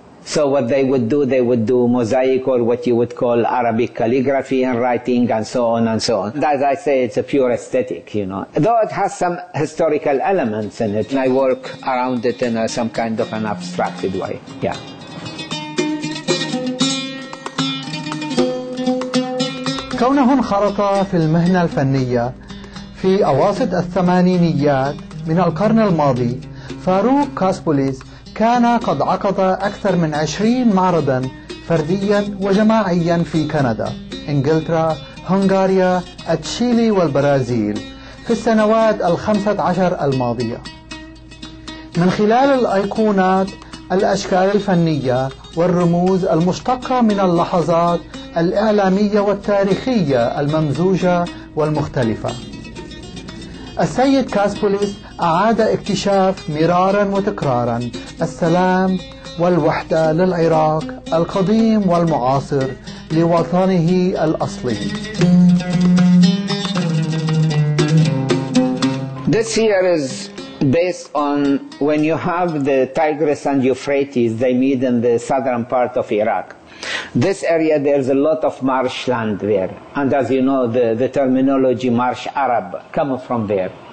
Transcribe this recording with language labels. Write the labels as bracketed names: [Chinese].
[English] So what they would do, mosaic, or what you would call Arabic calligraphy and writing, and so on and so on. As I say, it's a pure aesthetic, you know. Though it has some historical elements in it, and I work around it in some kind of an abstracted way, yeah. [Arabic] كونه انخرط في المهنة الفنية في أواسط الثمانينيات من القرن الماضي، فاروق كاسبوليس كان قد عقد أكثر من 20 معرضاً فردياً وجماعياً في كندا، إنجلترا، هنغاريا، تشيلي والبرازيل في السنوات 15 الماضية. من خلال الأيقونات، الأشكال الفنية والرموز المشتقة من اللحظات الإعلامية والتاريخية الممزوجة والمختلفة، السيد كاسبوليس أعاد اكتشاف مراراً وتكراراً السلام والوحدة للعراق القديم والمعاصر لوطنه الأصلي. [English] This year is based on when you have the Tigris and Euphrates, they meet in the southern part of Iraq. This area, there's a lot of marshland there. And as you know, the terminology marsh Arab comes from there.